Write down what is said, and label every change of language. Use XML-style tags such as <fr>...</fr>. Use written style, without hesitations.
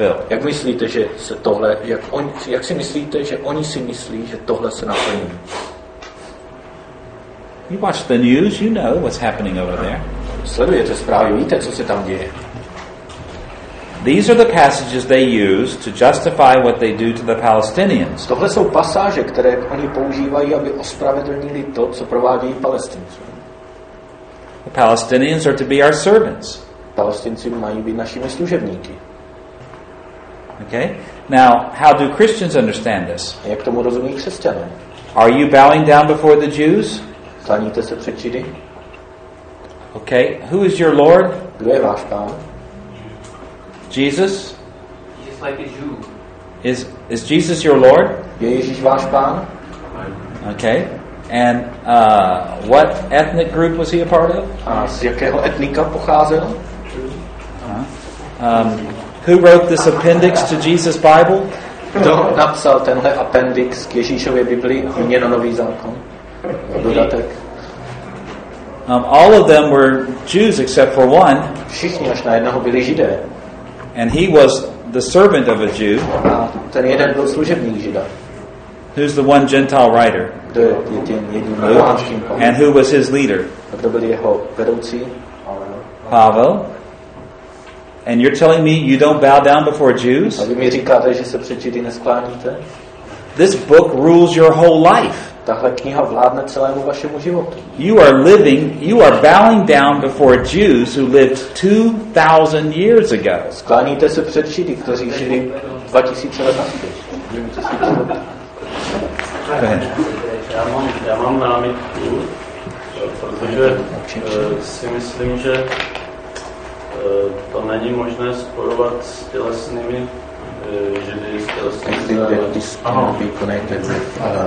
<cs>Jak myslíte, že se tohle, jak si myslíte, že oni si myslí, že tohle se naplní?</cs> <en>You watch the news, you know what's happening over there.</en> <cs>Sledujete zprávy, víte, co se tam děje.</cs> <en>These are the passages they use to justify what they do to the Palestinians.</en> <cs>Tohle jsou pasáže, které oni používají, aby ospravedlnili to, co provádějí Palestinci.</cs> <en>The Palestinians are to be our servants.</en> <cs>Palestinci mají být našimi služebníky.</cs> <en>Okay? Now, how do Christians understand this?</en> <cs>Jak tomu rozumí křesťané?</cs> <en>Are you bowing down before the Jews?</en> <cs>Klaníte se před Židy?</cs> <en>Okay, who is your Lord?</en> <cs>Kdo je váš pán?</cs> <en>Jesus? Just like a Jew. Is Jesus your Lord?</en> <cs>Je Ježíš váš pán?</cs> <en>Okay. And what ethnic group was he a part of?</en> <cs>A z jakého etnika pocházel?</cs> <en>Who wrote this appendix to Jesus' Bible?</en> <cs>Kdo napsal tenhle appendix k Ježíšově Biblii, hodně na Nový zákon? Dodatek.</cs> <en>All of them were Jews except for one.</en> <cs>Všichni až na jednoho byli Židé.</cs> <en>And he was the servant of a Jew.</en> <cs>A ten jeden byl služebník Žida.</cs> <en>Who's the one Gentile writer?</en> <cs>Kdo je ten jediný pohanský?</cs> <en>And who was his leader?</en> <cs>A kdo byl jeho vedoucí? Pavel.</cs> <en>And you're telling me you don't bow down before Jews?</en> <cs>A vy mi říkáte, že se před Židy neskláníte?</cs> <en>This book rules your whole life.</en> <cs>Tahle kniha vládne celému vašemu životu.</cs> <en>You are living, you are bowing down before Jews who lived 2,000 years ago.</en> <cs>Skláníte se před Židy, kteří žili 2000 let nazpět. Já mám námitku, protože si myslím, že to není možné sporovat s tělesnými</cs> <en>I think that this cannot be connected with</en>